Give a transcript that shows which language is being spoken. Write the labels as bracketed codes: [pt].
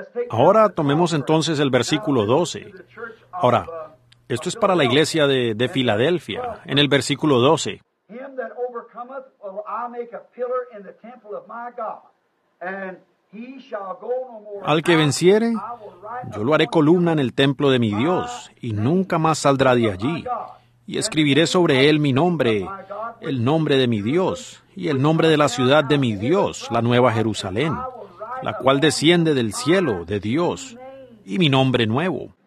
[es] Ahora tomemos entonces el versículo 12. Ahora, esto es para la iglesia de Filadelfia, en el versículo 12. [en] Him that overcometh will I make a pillar in the temple of my God, and he shall go no more. [es] Al que venciere, yo lo haré columna en el templo de mi Dios, y nunca más saldrá de allí. Y escribiré sobre él mi nombre, el nombre de mi Dios, y el nombre de la ciudad de mi Dios, la Nueva Jerusalén, la cual desciende del cielo de Dios, y mi nombre nuevo.